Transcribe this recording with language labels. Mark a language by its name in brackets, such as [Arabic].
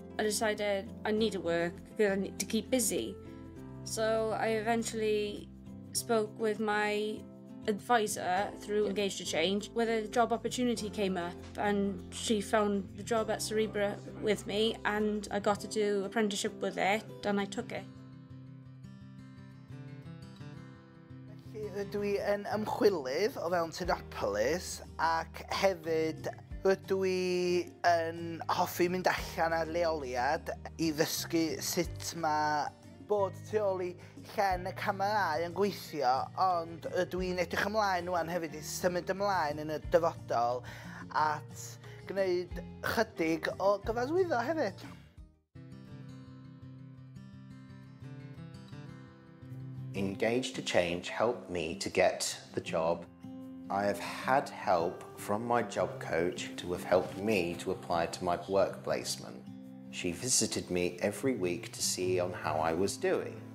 [English] I decided I need to work because I need to keep busy. So I eventually spoke with my advisor through Engage to Change, where the job opportunity came up, and she found the job at Cerebra with me, and I got to do apprenticeship with it, and I took it. [Welsh] Rydw i yn ymchwilydd o fewn Tynopolis ac hefyd rydw i yn hoffi mynd allan ar leoliad i ddysgu sut mae bod tu ôl i llen y camerâu yn gweithio, ond rydw i'n edrych ymlaen nhw'n hefyd i symud ymlaen yn y dyfodol at gwneud chydig o gyfarwyddo hefyd. [English] Engage to Change helped me to get the job. I have had help from my job coach to have helped me to apply to my work placement. She visited me every week to see on how I was doing.